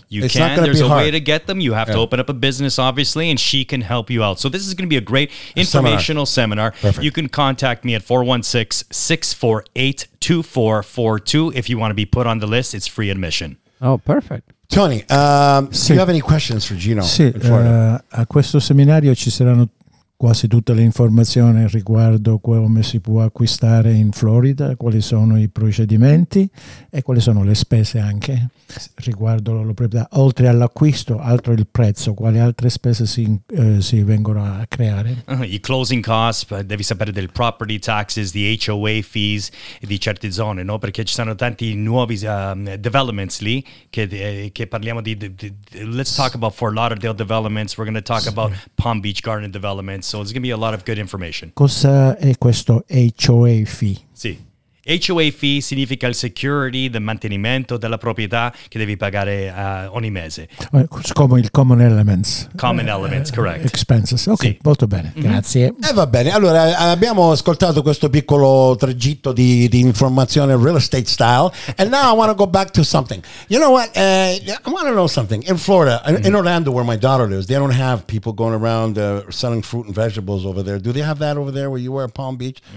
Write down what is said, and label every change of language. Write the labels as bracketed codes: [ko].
[en] There's a way to get them. You have to open up a business, obviously, and she can help you out. So this is going to be a great informational seminar. Perfect. You can contact me at 416-648-2442 if you want to be put on the list. It's free admission. Oh, perfect. Tony, do you have any questions for Gino? [it] Sì, a questo seminario ci saranno quasi tutte le informazioni riguardo come si può acquistare in Florida, quali sono i procedimenti e quali sono le spese anche riguardo la proprietà. Oltre all'acquisto, altro il prezzo, quali altre spese si vengono a creare? I closing costs, devi sapere del property taxes, [en] the HOA fees [it] di certe zone, no? Perché ci sono tanti nuovi developments lì che parliamo di [en] let's talk about Fort Lauderdale developments, we're going to talk about Palm Beach Garden developments. So it's going to be a lot of good information. [it] Cosa è questo HOA fee? Sì, HOA fee significa il security, il mantenimento della proprietà che devi pagare ogni mese. Come il common elements. [en] Common elements, correct. [it] Expenses, ok, sì. Molto bene, grazie. E va bene, allora abbiamo ascoltato questo piccolo tragitto di informazione real estate style. [en] And now I want to go back to something. You know what, I want to know something. In Florida, in Orlando where my daughter lives, they don't have people going around selling fruit and vegetables over there. Do they have that over there where you were at Palm Beach?